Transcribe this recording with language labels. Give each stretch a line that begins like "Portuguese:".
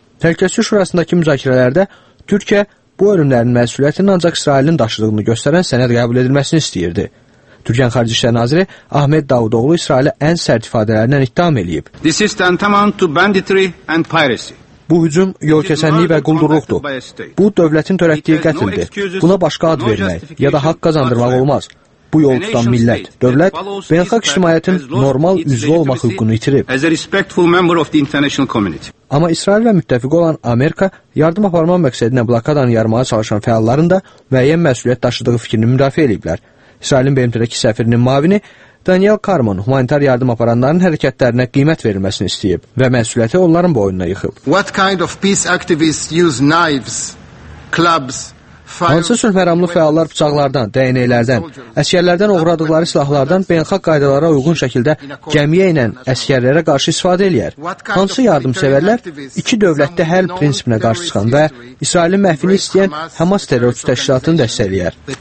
Azerbaijani: Təhlükəsizlik Şurasındakı müzakirələrdə Türkiyə bu ölümlərin məsuliyyətinin ancaq İsrailin daşıdığını göstərən sənəd qəbul edilməsini istəyirdi. Türkiyənin Xarici İşlər Naziri Ahmet Davudoğlu İsrailə ən sərt ifadələrlə ittiham eləyib.
English: This is tantamount to banditry and piracy.
Azerbaijani: Bu hücum yol kəsənliyi və quldurluqdur. Bu dövlətin törətdiyi qətildir. Buna başqa ad vermək ya da haqq qazandırmaq olmaz. Bu yol tutan millət, dövlət, beynəlxalq ictimaiyyətin normal üzvü olmaq hüququnu itirib. Amma İsrail və müttəfiq olan Amerika yardım aparma məqsədinə blokadanı yarmağa çalışan fəalların da müəyyən məsuliyyət daşıdığı fikrini müdafiə ediblər. İsrailin BMT-dəki səfirinin mavini Daniel Karman humanitar yardım aparanların hərəkətlərinə qiymət verilməsini istəyib və məsuliyyəti onların boynuna yıxıb.
English: What kind of peace activists use knives, clubs?
Azerbaijani: Hansı sülh məramlı fəallar bıçaqlardan, dəyənəklərdən, əsgərlərdən oğradıqları silahlardan beynəlxalq qaydalara uyğun şəkildə gəmiyə ilə əsgərlərə qarşı istifadə eləyər? Hansı yardımsevərlər iki dövlətdə həll prinsipinə qarşı çıxan və İsrailin məhvini istəyən Həmas terrorçu təşkilatını dəstəkləyər?